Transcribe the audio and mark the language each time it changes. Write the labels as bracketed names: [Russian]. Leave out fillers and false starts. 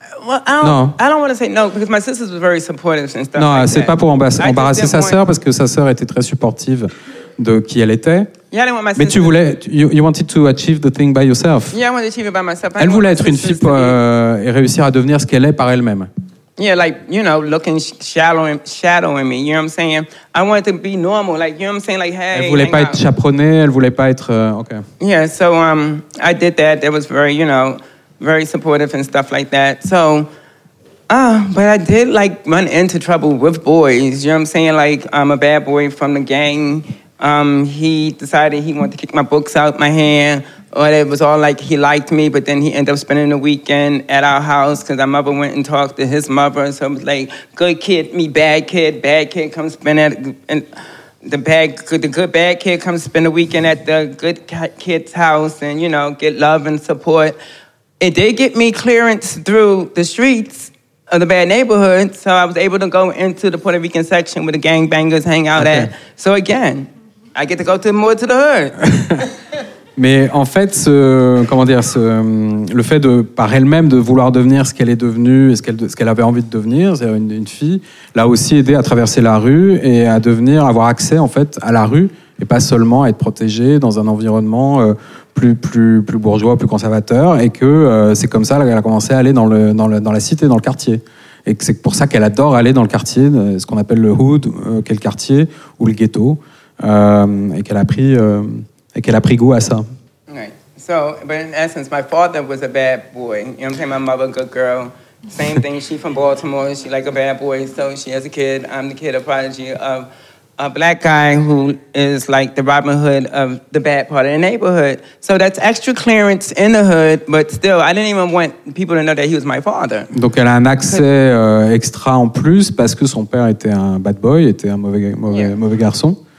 [English] Well, I don't want to say no because my sister was very supportive and stuff. [French] Non, [English] like [French] c'est [English] that. [French] Pas pour embarrasser sa sœur parce que sa sœur était très supportive de qui elle était. [English] Yeah, I didn't want my sister. [French] Mais tu voulais, [English] you wanted to achieve the thing by yourself. Yeah, I wanted to achieve it by myself. [French] Elle voulait être une fille et réussir à devenir ce qu'elle est par elle-même. [English] Yeah, like you know, looking shadowing me. You know what I'm saying? I wanted to be normal. Like you know what I'm saying? Like hey. [French] Elle voulait pas être chaperonnée. Elle voulait pas être. Okay. [English] Yeah, so I did that. That was very, you know. Very supportive and stuff like that. So, but I did like run into trouble with boys. You know what I'm saying? Like, I'm a bad boy from the gang. He decided he wanted to kick my books out my hand. Or it was all like he liked me, but then he ended up spending the weekend at our house because my mother went and talked to his mother. So it was like, good kid, me bad kid, come spend it. The good bad kid, come spend the weekend at the good kid's house and, you know, get love and support. It did get me clearance through the streets of the bad neighborhood, so I was able to go into the Puerto Rican section where the gangbangers hang out okay. at. So again, I get to go more to the hood. [French] Mais en fait, le fait de par elle-même de vouloir devenir ce qu'elle est devenue et ce qu'elle avait envie de devenir, c'est-à-dire une fille, l'a aussi aidé à traverser la rue et à devenir, avoir accès en fait à la rue et pas seulement être protégée dans un environnement. Plus bourgeois, plus conservateur, et que c'est comme ça qu'elle a commencé à aller dans la cité, dans le quartier. Et que c'est pour ça qu'elle adore aller dans le quartier, ce qu'on appelle le hood, quel quartier, ou le ghetto, et qu'elle a pris goût à ça. [English] Right. So, but in essence, my father was a bad boy. You know what I'm saying? My mother, good girl. Same thing, she's from Baltimore, she's like a bad boy, so she has a kid. I'm the kid, a prodigy of a black guy who is like the Robin Hood of the bad part of the neighborhood. So that's extra clearance in the hood, but still, I didn't even want people to know that he was my father. [French] Donc elle a un accès extra en plus parce que son père était un bad boy, était un mauvais garçon.